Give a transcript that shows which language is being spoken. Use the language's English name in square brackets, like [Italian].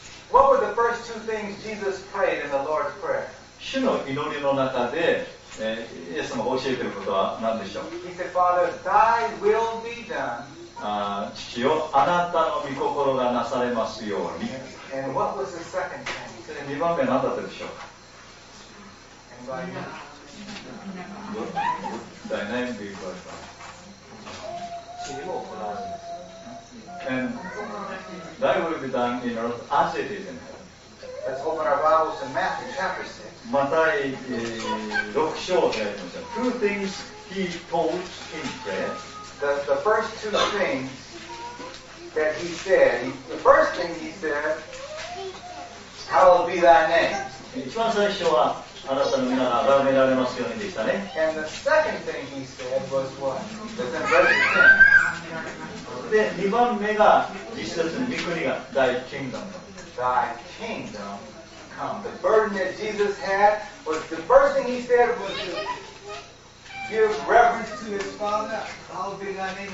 [English] What were the first two things Jesus prayed in the Lord's Prayer? [Japanese] 主の祈りの中で、イエス様が教えていることは何でしょう。 [English] He said, Father, thy will be done. [Japanese] 父よ、あなたの御心がなされますように。 [English] And what was the second thing? [Japanese] それ二番目何だったでしょうか。 [English] Anybody know? Would thy name be glorified? [Japanese] 父にも行われる。 [English] And that will be done in earth as it is in heaven. Let's open our Bibles to Matthew chapter 6. [Japanese] マタイ6章でありました。 [English] Two things he told in prayer. The first two things that he said. The first thing he said, Hallowed be thy name. [Japanese] 一番最初はあなたの名が崇められますようにでしたね。 [English] And the second thing he said was what? That's in verse 10. [Japanese] で、2番目が実質の御国が [English] Thy Kingdom。 Thy Kingdom come. The burden that Jesus had was the first thing he said was to give reverence to his Father. I'll be thy name.